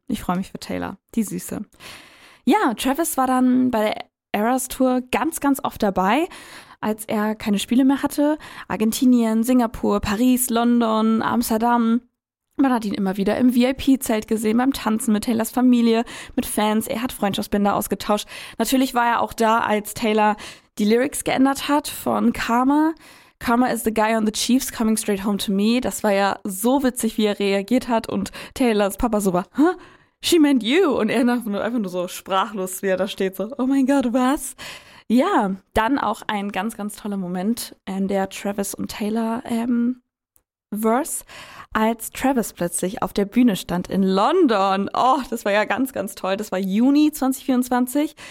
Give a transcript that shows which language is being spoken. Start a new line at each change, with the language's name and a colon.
German: Ich freue mich für Taylor, die Süße. Ja, Travis war dann bei der Eras Tour ganz, ganz oft dabei, als er keine Spiele mehr hatte. Argentinien, Singapur, Paris, London, Amsterdam. Man hat ihn immer wieder im VIP-Zelt gesehen, beim Tanzen mit Taylors Familie, mit Fans. Er hat Freundschaftsbänder ausgetauscht. Natürlich war er auch da, als Taylor die Lyrics geändert hat von Karma.
English: Karma is the guy on the Chiefs coming straight home to me.
German: Das war ja so witzig, wie er reagiert hat. Und Taylors Papa so war,
English: she meant you.
German: Und er einfach nur so sprachlos, wie er da steht, so, oh mein Gott, was? Ja, dann auch ein ganz, ganz toller Moment, in der Travis und Taylor Verse, als Travis plötzlich auf der Bühne stand in London. Oh, das war ja ganz, ganz toll. Das war Juni 2024.